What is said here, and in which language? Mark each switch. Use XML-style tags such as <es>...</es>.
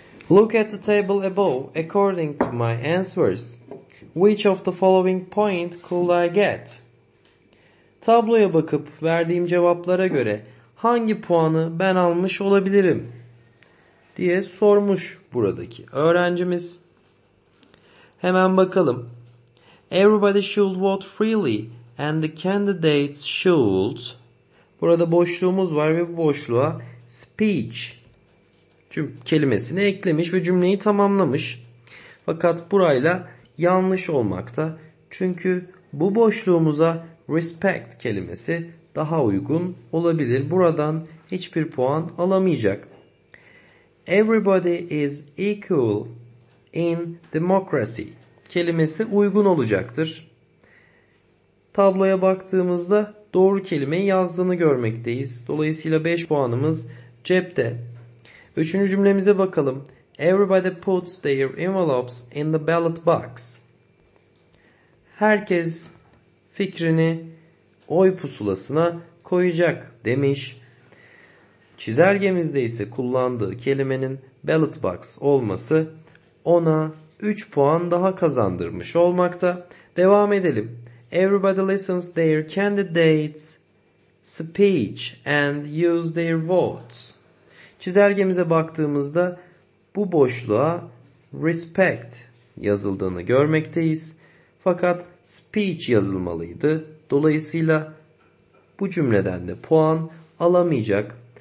<en>Look at the table above according to my answers. Which of the following point could I get?</en> <tr>Tabloya bakıp verdiğim cevaplara göre hangi puanı ben almış olabilirim diye sormuş buradaki öğrencimiz. Hemen bakalım.</tr> <en>Everybody should vote freely and the candidates should.</en> <tr>Burada boşluğumuz var ve bu boşluğa speech kelimesini eklemiş ve cümleyi tamamlamış. Fakat burayla yanlış olmakta. Çünkü bu boşluğumuza respect kelimesi daha uygun olabilir. Buradan hiçbir puan alamayacak.</tr> <en>Everybody is equal in democracy</en> <tr>kelimesi uygun olacaktır. tabloya baktığımızda doğru kelimeyi yazdığını görmekteyiz. Dolayısıyla 5 puanımız cepte. Üçüncü cümlemize bakalım.</tr> <en>Everybody puts their envelopes in the ballot box.</en> <tr>Herkes fikrini oy pusulasına koyacak demiş. Çizelgemizde ise kullandığı kelimenin ballot box olması ona 3 puan daha kazandırmış olmakta. Devam edelim.</tr> <en>Everybody listens their candidates' speech and use their votes.</en> <tr>Çizelgemize baktığımızda bu boşluğa respect yazıldığını görmekteyiz. Fakat speech yazılmalıydı. Dolayısıyla bu cümleden de puan alamayacak.</tr>